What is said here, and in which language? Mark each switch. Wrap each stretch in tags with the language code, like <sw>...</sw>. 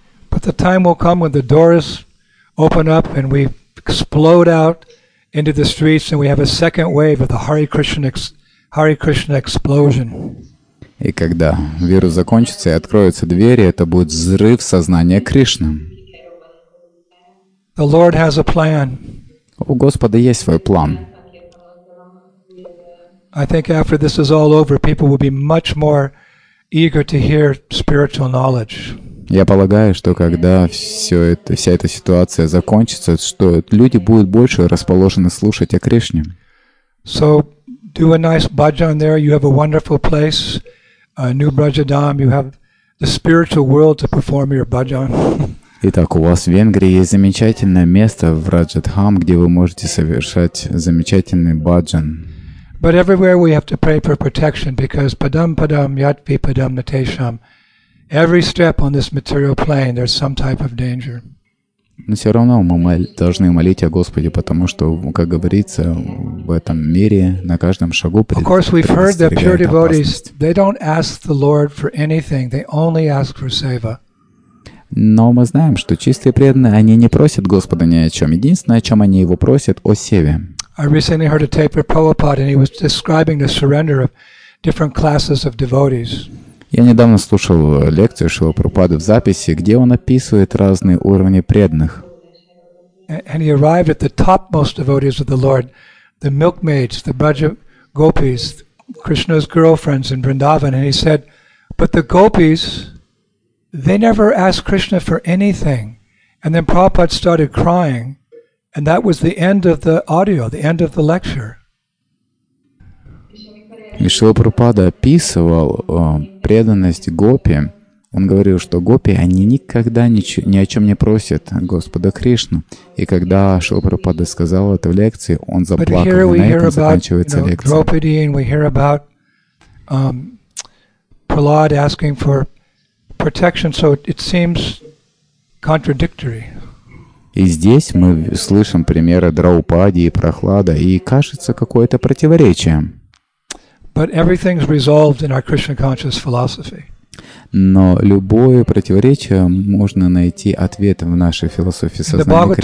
<en>But the time will come when the doors open up and we explode out into the streets and we have a second wave of the Hare Krishna explosion.</en> <ru>И когда вирус закончится и откроются двери, это будет взрыв сознания Кришны.</ru> <en>The Lord has a plan.</en> <ru>У Господа есть свой план.</ru> <en>I think after this is all over, people will be much more eager to hear spiritual knowledge.</en> <ru>Я полагаю, что когда вся эта ситуация закончится, что люди будут больше расположены слушать о Кришне.</ru> <en>So do a nice bhajan there. You have a wonderful place, New Brajadham. You have the spiritual world to perform your bhajan.</en> <ru>Итак, у вас в Венгрии есть замечательное место в Раджадхам, где вы можете совершать замечательный бхаджан.</ru> <en>But everywhere we have to pray for protection, because</en> <sa>padam padam yatvi padam natesham.</sa> <en>Every step on this material plane, there's some type of danger.</en> <ru>Но все равно мы должны молить о Господе, потому что, как говорится, в этом мире на каждом шагу предостерегает опасность.</ru> <en>Of course, we've heard that pure devotees, they don't ask the Lord for anything; they only ask for seva.</en> <ru>Но мы знаем, что чистые преданные, они не просят Господа ни о чем. Единственное, о чем они его просят, о севе.</ru> <en>I recently heard a tape of Prabhupada, and he was describing the surrender of different classes of devotees.</en> <ru>Я недавно слушал лекцию Шрила Прабхупады в записи, где он описывает разные уровни преданных.</ru> <en>And he arrived at the topmost devotees of the Lord, the milkmaids, the Braja gopis, Krishna's girlfriends in Vrindavan, and he said, but the gopis, they never asked Krishna for anything. And then Prabhupada started crying, and that was the end of the audio, the end of the lecture.</en> <ru>И Шрила Прабхупада описывал преданность гопи. Он говорил, что гопи, они никогда ни о чем не просят Господа Кришну. И когда Шрила Прабхупада сказал это в лекции, он заплакал, и на этом заканчивается лекция.</ru> <en>But here we hear about Draupadi, and we hear about Prahlad asking for protection, so it seems contradictory.</en> <ru>И здесь мы слышим примеры Драупади и Прохлада, и кажется какое-то противоречие.</ru> <en>But everything's resolved in our Krishna conscious philosophy.</en> <ru>Но любое противоречие можно найти ответ в нашей философии сознания Кришны.</ru>